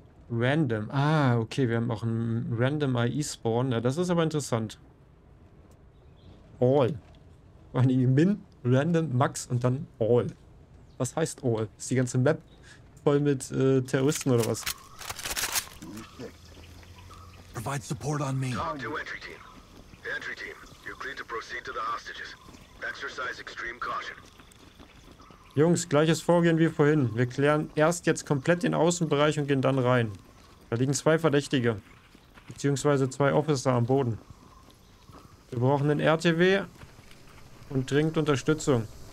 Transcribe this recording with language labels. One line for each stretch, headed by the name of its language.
German: Random. Ah, okay, wir haben auch einen Random AI-Spawn. Ja, das ist aber interessant. All. Min, Random, Max und dann All. Was heißt All? Ist die ganze Map voll mit Terroristen oder was?
English: Provide support on me. Talk to entry team. Entry team, you're clear to proceed to the hostages. Exercise extreme caution.
German: Jungs, gleiches Vorgehen wie vorhin. Wir klären erst jetzt komplett den Außenbereich und gehen dann rein. Da liegen zwei Verdächtige. Beziehungsweise zwei Officer am Boden. Wir brauchen einen RTW und dringend Unterstützung.